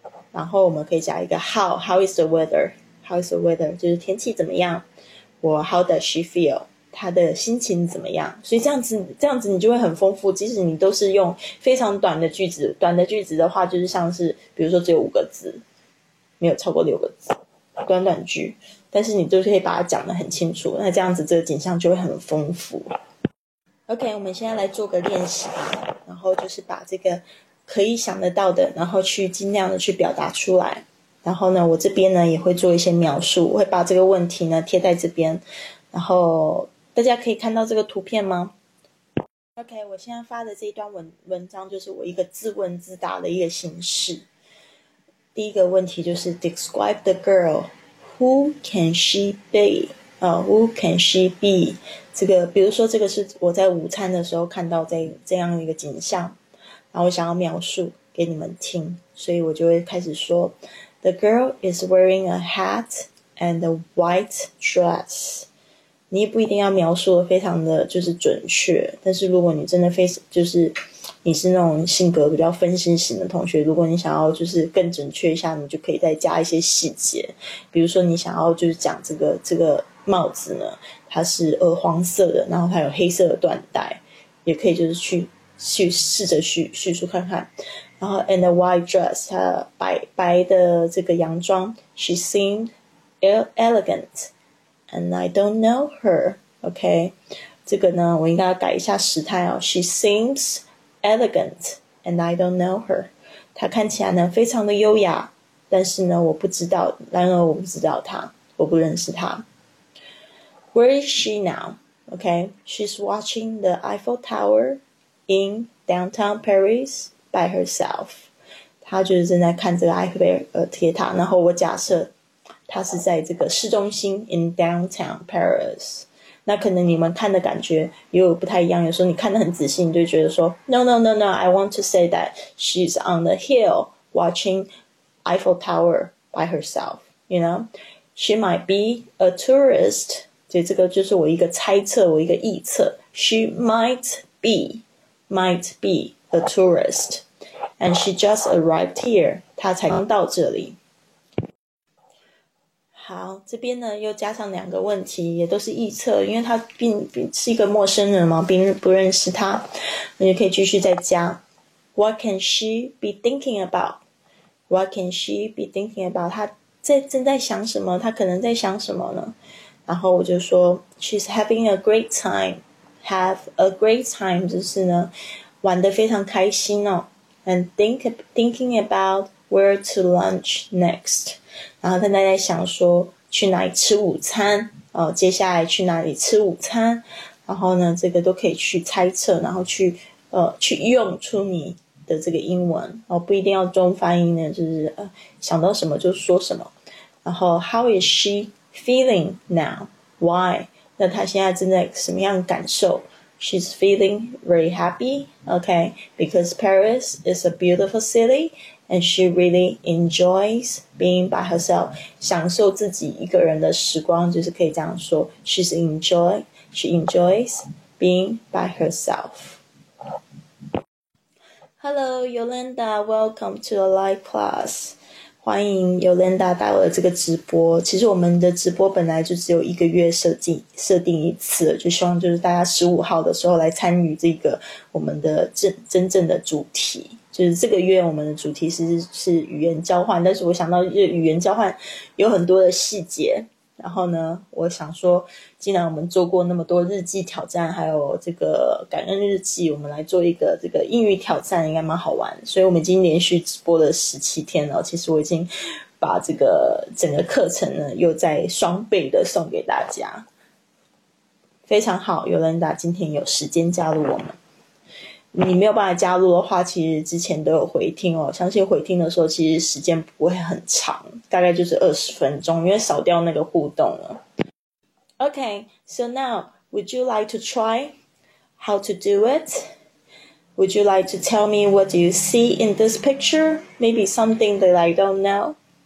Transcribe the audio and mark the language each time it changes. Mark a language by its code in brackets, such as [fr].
[zh] 然后我们可以加一个 [en] How is the weather？How is the weather？ [zh] 就是天气怎么样？ [en] Or how does she feel？ [zh] 他的心情怎么样，所以这样子你就会很丰富。即使你都是用非常短的句子，短的句子的话就是像是比如说只有五个字，没有超过六个字，短短句，但是你就可以把它讲得很清楚，那这样子这个景象就会很丰富。 OK， 我们现在来做个练习吧，然后就是把这个可以想得到的然后去尽量的去表达出来，然后呢我这边呢也会做一些描述，我会把这个问题呢贴在这边，然后大家可以看到这个图片吗？ OK， 我现在发的这一段 文章就是我一个自问自答的一个形式。第一个问题就是 [en] Describe the girl， Who can she be？ Who can she be？ [zh] 这个比如说这个是我在午餐的时候看到这样一个景象，然后我想要描述给你们听，所以我就会开始说 [en] The girl is wearing a hat and a white dress。 [zh] 你也不一定要描述的非常的就是准确，但是如果你真的非就是你是那种性格比较分心型的同学，如果你想要就是更准确一下，你就可以再加一些细节，比如说你想要就是讲这个帽子呢它是黄色的，然后它有黑色的缎带，也可以就是去试着去叙述看看。然后 [en] and a white dress， [zh] 它白的这个洋装， [en] she seemed elegantAnd I don't know her. [zh] OK， 这个呢我应该要改一下时态哦。 [en] She seems elegant and I don't know her. [zh] 她看起来呢非常的优雅，但是呢我不知道，然而我不知道她，我不认识她。 [en] Where is she now? OK， she's watching the Eiffel Tower in downtown Paris by herself. [zh] 她就是正在看这个埃菲尔铁塔，然后我假设他是在这个市中心 [en] in downtown Paris， [zh] 那可能你们看的感觉也有不太一样，有时候你看得很仔细你就觉得说 [en] No, I want to say that she's on the hill watching Eiffel Tower by herself. You know, she might be a tourist. [zh] 所以这个就是我一个猜测，我一个臆测。 [en] She might be a tourist and she just arrived here. [zh] 她才刚到这里。好，这边呢又加上两个问题，也都是臆测，因为他并是一个陌生人嘛，并不认识他，那就可以继续再加。 [en] What can she be thinking about? What can she be thinking about? [zh] 他正在想什么？他可能在想什么呢？然后我就说 [en] ，She's having a great time. Have a great time [zh] 就是呢，玩得非常开心哦。 [en] And thinking about where to lunch next. [zh] 然后他大家想说去哪里吃午餐、接下来去哪里吃午餐，然后呢这个都可以去猜测，然后去用出你的这个英文、不一定要中翻译呢，就是、想到什么就说什么。然后 [en] How is she feeling now? Why? [zh] 那他现在正在什么样感受？ [en] She's feeling very happy, okay, because Paris is a beautiful cityAnd she really enjoys being by herself. [zh] 享受自己一个人的时光，就是可以这样说。 [en] She enjoys being by herself. Hello, Yolanda. Welcome to the live class. [zh] 欢迎 Yolanda 到了这个直播。其实我们的直播本来就只有一个月设定一次，就希望就是大家15号的时候来参与这个我们的真正的主题。就是这个月我们的主题是语言交换，但是我想到语言交换有很多的细节，然后呢我想说既然我们做过那么多日记挑战还有这个感恩日记，我们来做一个这个英语挑战应该蛮好玩，所以我们已经连续直播了17天了，其实我已经把这个整个课程呢又再双倍的送给大家。非常好， Yolanda 今天有时间加入我们，你没有办法加入的话其实之前都有回听哦，相信回听的时候其实时间不会很长，大概就是20分钟，因为少掉那个互动了。 [en] OK, so now would you like to try how to do it? Would you like to tell me what do you see in this picture? Maybe something that I don't know.